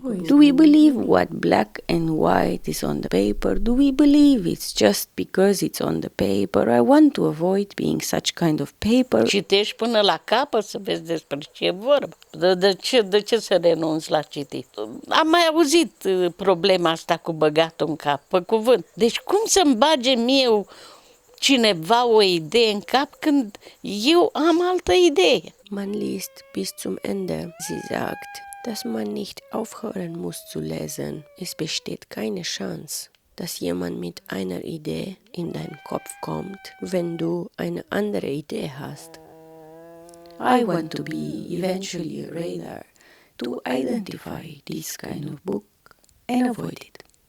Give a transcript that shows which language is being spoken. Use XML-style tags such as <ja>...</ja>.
<en>Do we believe what black and white is on the paper? Do we believe it's just because it's on the paper? I want to avoid being such kind of paper.</en> <ro>Citești până la capăt să vezi despre ce vorba. De ce să renunți la citit? Am mai auzit problema asta cu băgatul în cap, pe cuvânt. Deci cum să-mi bage mie cineva o idee în cap când eu am altă idee.</ro> <de>Man liest bis zum Ende. Sie sagt, dass man nicht aufhören muss zu lesen. Es besteht keine Chance, dass jemand mit einer Idee in dein Kopf kommt, wenn du eine andere Idee hast.</de> <en>I want to be eventually a radar to identify this kind of book and avoid it.</en>